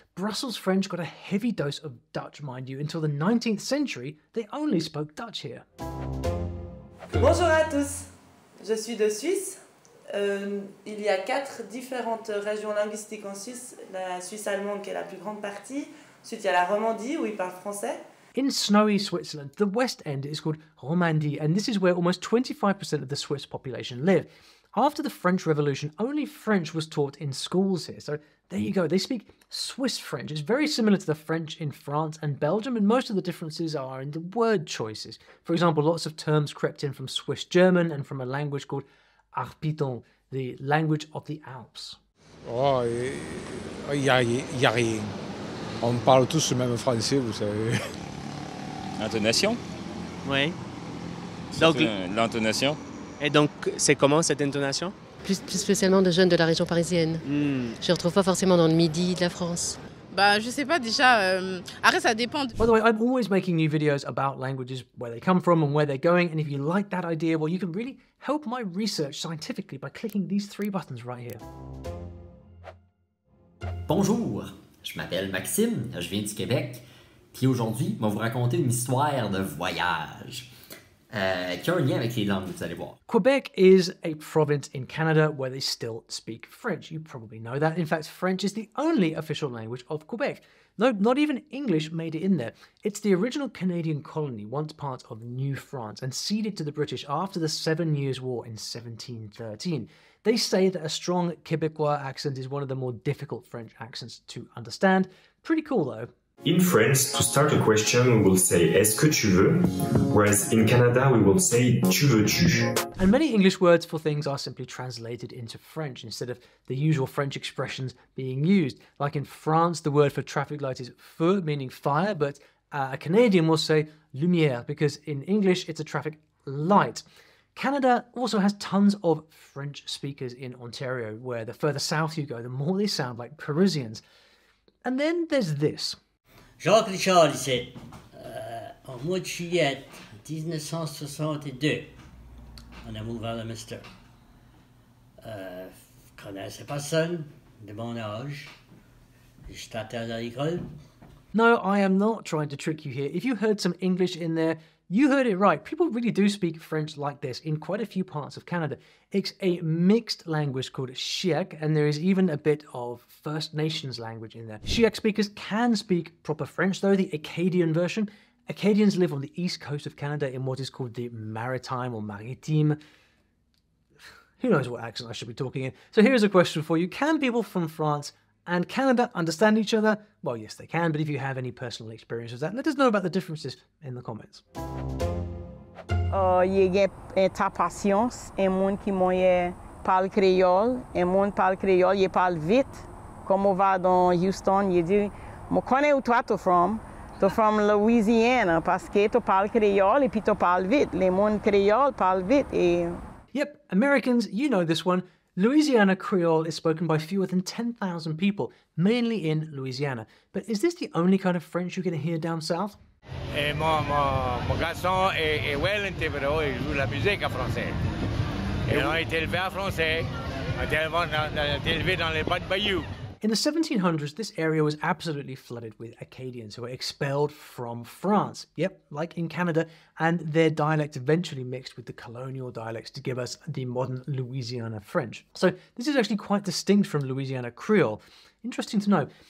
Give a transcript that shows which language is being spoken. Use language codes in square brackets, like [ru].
[en] Brussels French got a heavy dose of Dutch, mind you. Until the 19th century, they only spoke Dutch here. [fr] Bonjour à tous. Je suis de Suisse. Il y a 4 différentes régions linguistiques en Suisse. La Suisse allemande qui est la plus grande partie. Ensuite, il y a la Romandie où ils parlent français. [en] In snowy Switzerland, the West End is called Romandie, and this is where almost 25% of the Swiss population live. After the French Revolution, only French was taught in schools here. So there you go, they speak Swiss French. It's very similar to the French in France and Belgium, and most of the differences are in the word choices. For example, lots of terms crept in from Swiss German and from a language called Arpiton, the language of the Alps. [fr] Oh, y a rien. On parle tous le même français, vous savez. L'intonation? Oui. Donc, l'intonation? Et donc, c'est comment cette intonation? Plus spécialement de jeunes de la région parisienne. Mm. Je ne retrouve pas forcément dans le midi de la France. Bah, je sais pas déjà. Après, ça dépend. [en] By the way, I'm always making new videos about languages, where they come from and where they're going. And if you like that idea, well, you can really help my research scientifically by clicking these three buttons right here. [fr] Bonjour, je m'appelle Maxime, je viens du Québec. Puis aujourd'hui, je vais vous raconter une histoire de voyage. Qui a un lien avec les langues, vous allez voir. [en] Quebec is a province in Canada where they still speak French. You probably know that. In fact, French is the only official language of Quebec. No, not even English made it in there. It's the original Canadian colony, once part of New France, and ceded to the British after the Seven Years' War in 1713. They say that a strong Quebecois accent is one of the more difficult French accents to understand. Pretty cool, though. In France, to start a question, we will say, [fr] est-ce que tu veux? [en] Whereas in Canada, we will say, [fr] tu veux-tu? [en] And many English words for things are simply translated into French instead of the usual French expressions being used. Like in France, the word for traffic light is feu, meaning fire, but a Canadian will say lumière, because in English, it's a traffic light. Canada also has tons of French speakers in Ontario, where the further south you go, the more they sound like Parisians. And then there's this. [fr] Jacques Richard, il sait, au mois de juillet 1962, on a ouvert le Mister. Connaissait personne de mon âge. J'étais à l'école. [en] No, I am not trying to trick you here. If you heard some English in there, you heard it right. People really do speak French like this in quite a few parts of Canada. It's a mixed language called Shiek, and there is even a bit of First Nations language in there. Shiek speakers can speak proper French, though, the Acadian version. Acadians live on the east coast of Canada in what is called the Maritime or Maritime. Who knows what accent I should be talking in. So here's a question for you. Can people from France and Canada understand each other? Well, yes, they can, but if you have any personal experience with that, let us know about the differences in the comments. [fr] Il y a ta patience, un monde qui moi parle créole, un monde parle créole, il parle vite. Comme on va dans Houston, il dit, je connais où toi t'es [en] from Louisiana, [fr] parce que tu parles créole et puis tu parles vite. Le monde créole parle vite. [en] Yep, Americans, you know this one. Louisiana Creole is spoken by fewer than 10,000 people, mainly in Louisiana. But is this the only kind of French you're going to hear down south? [fr] Mon garçon est Wellington, mais il joue la musique en français. Et on a été élevé en français. On a été élevé dans les bois de bayou. [en] In the 1700s, this area was absolutely flooded with Acadians who were expelled from France. Yep, like in Canada. And their dialect eventually mixed with the colonial dialects to give us the modern Louisiana French. So this is actually quite distinct from Louisiana Creole. Interesting to know.